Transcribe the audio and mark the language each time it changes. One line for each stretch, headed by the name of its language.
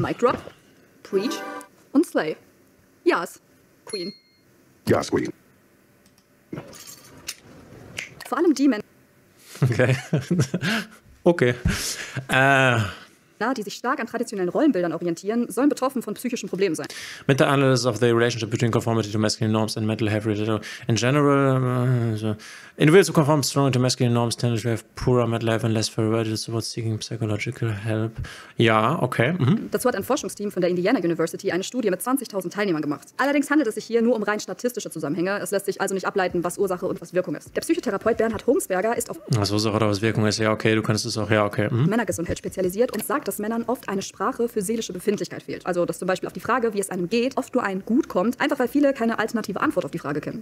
English: Mic drop, preach und slay. Yas, Queen. Yas, Queen.
German: Vor allem die Männer. Okay. Die sich stark an traditionellen Rollenbildern orientieren, sollen betroffen von psychischen Problemen sein. Mit der
English: Analysis of the relationship between conformity to masculine norms and mental health in general. Individuals who conform strongly to masculine norms tend to have poorer mental health and less favorable towards seeking psychological help.
German: Ja, okay. Mhm. Dazu hat ein Forschungsteam von der Indiana University eine Studie mit 20.000 Teilnehmern gemacht. Allerdings handelt es sich hier nur um rein statistische Zusammenhänge. Es lässt sich also nicht ableiten, was Ursache und was Wirkung ist. Der Psychotherapeut Bernhard Hungsberger ist auf was Ursache oder was Wirkung ist, ja okay, du kannst es auch, ja okay. Männergesundheit spezialisiert und sagt, dass Männern oft eine Sprache für seelische Befindlichkeit fehlt. Also, dass zum Beispiel auf die Frage, wie es einem geht, oft nur ein gut kommt, einfach weil viele keine alternative Antwort auf die Frage kennen.